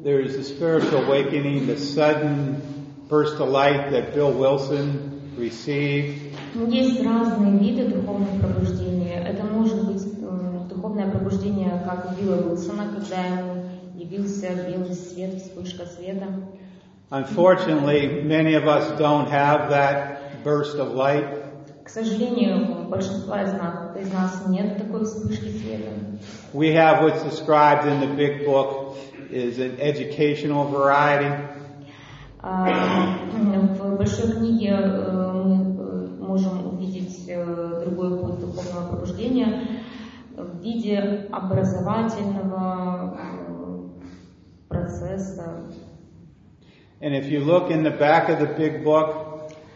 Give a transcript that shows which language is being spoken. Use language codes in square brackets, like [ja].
[en] There is a spiritual awakening, the sudden burst of light that Bill Wilson received. [ru] Есть разные виды духовного пробуждения. Это может быть духовное пробуждение, как у Билла Уилсона, когда ему явился белый свет, вспышка света. [en] Unfortunately, many of us don't have that burst of light. [ru] К сожалению, большинство из нас нет такой вспышки света. [en] We have what's described in the big book is an educational variety. [ru] В большой книге мы можем увидеть другой путь духовного пробуждения в виде образовательного процесса. [en] And if you look in the back of the big book,